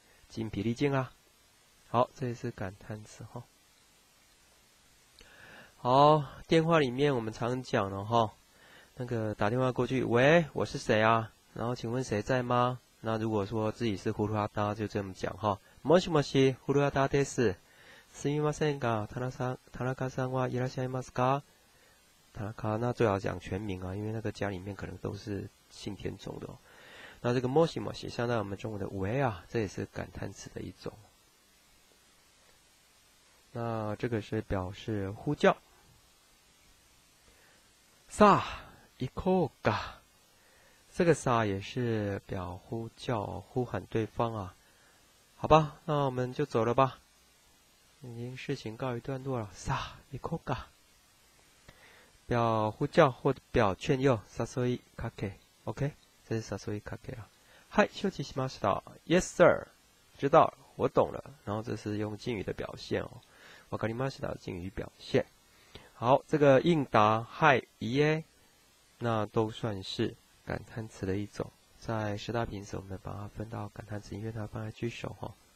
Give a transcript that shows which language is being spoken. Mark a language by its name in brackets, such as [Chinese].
[Chinese] 精疲力尽啊。好，这也是感叹词哈。好，电话里面我们常讲了哈，那个打电话过去，喂，我是谁啊？然后请问谁在吗？那如果说自己是葫芦阿达，就这么讲哈。 [Japanese] もしもし、葫芦阿达です。すみませんが、田中さんはいらっしゃいますか？ [Chinese] 田中，那最好讲全名啊，因为那个家里面可能都是姓田中的、哦。那这个もしもし相当于我们中文的喂啊，这也是感叹词的一种。那这个是表示呼叫。 [Japanese] さあ、行こうか。 [Chinese] 这个さあ也是表呼叫、呼喊对方啊。好吧，那我们就走了吧。已经事情告一段落了， [Japanese] さあ行こうか。 [Chinese] 表呼叫或表劝诱，誘いかけ。 OK， 这是誘いかけ了。嗨， [Japanese] 承知しました。 [English] Yes sir， [Chinese] 知道了，我懂了。然后这是用敬语的表现哦， [Japanese] わかりました， [Chinese] 敬语表现。好，这个应答嗨いえ，那都算是感叹词的一种。在十大平时，我们把它分到感叹词，因为它放在句首哈、哦。